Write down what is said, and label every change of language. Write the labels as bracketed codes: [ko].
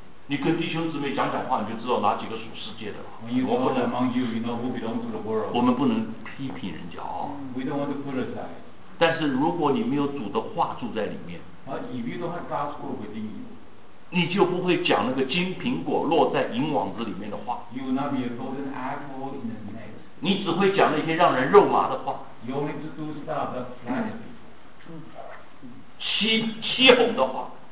[zh] 你跟弟兄姊妹讲讲话，你就知道哪几个属世界的了。 [en] When you go among you, you know who belongs to the world。 [zh] 我们不能批评人家啊。 [en] We don't want to criticize。 [zh] 但是如果你没有主的话住在里面 [en] ，If you don't have God's word within you， [zh] 你就不会讲那个金苹果落在银网子里面的话。 [en] You will not be a golden apple in the net。 [zh] 你只会讲那些让人肉麻的话，欺哄的话。